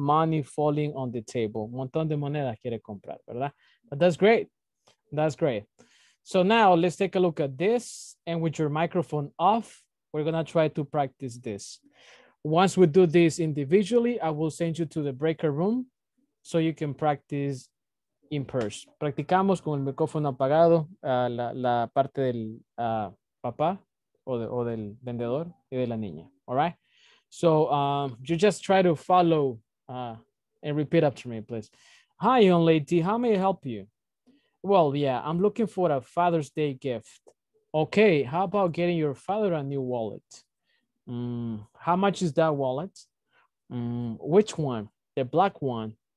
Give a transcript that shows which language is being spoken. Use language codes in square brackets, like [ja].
[en] Money falling on the table. [es] Montón de monedas quiere comprar, ¿verdad? [en] But that's great. That's great. So now let's take a look at this. And with your microphone off, we're going to try to practice this. Once we do this individually, I will send you to the breaker room so you can practice in person. [es] Practicamos con el micrófono apagado la parte del papá o del vendedor y de la niña. [en] All right? So you just try to follow and repeat after me, please. Hi, young lady. How may I help you? Well, yeah, I'm looking for a Father's Day gift. Okay, how about getting your father a new wallet? How much is that wallet? Which one? The black one.